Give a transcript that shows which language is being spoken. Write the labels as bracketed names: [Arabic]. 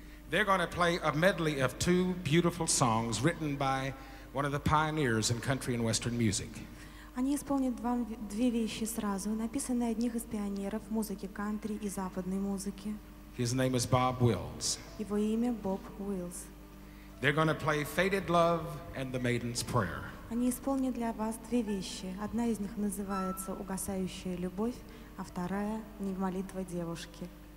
[English] They're going to play a medley of two beautiful songs written by one of the pioneers in country and western music. [Russian] Они исполнят две вещи сразу, написанные одних из пионеров музыки кантри и западной музыки. [English] His name is Bob Wills. [Russian] Его имя Боб Уиллс. [English] They're going to play Faded Love and The Maiden's Prayer. [Russian] Они исполнят для вас две вещи. Одна из них называется «Угасающая любовь», а вторая — «Не молитва девушки».